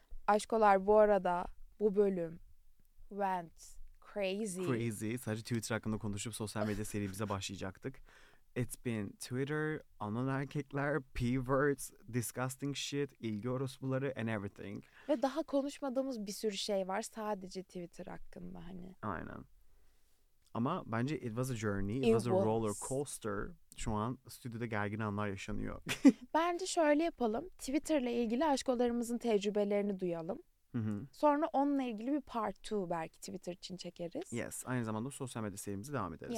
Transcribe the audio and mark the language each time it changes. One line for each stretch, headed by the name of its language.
Turkish: Aşkolar bu arada bu bölüm
English: went crazy. Crazy.
Turkish: Sadece Twitter hakkında konuşup sosyal medya serimize başlayacaktık.
English: It's been Twitter,
Turkish: anon erkekler,
English: p-words, disgusting shit,
Turkish: ilgi orospuları
English: and everything.
Turkish: Ve daha konuşmadığımız bir sürü şey var sadece Twitter hakkında hani. Aynen. Ama bence
English: it was a journey, it was a roller coaster.
Turkish: Şu an stüdyoda gergin anlar yaşanıyor. Bence şöyle yapalım. Twitter'la ilgili aşkolarımızın tecrübelerini duyalım. Sonra onunla ilgili bir part 2 belki Twitter için çekeriz.
English: Yes.
Turkish: Aynı zamanda sosyal medya serimize devam ederiz.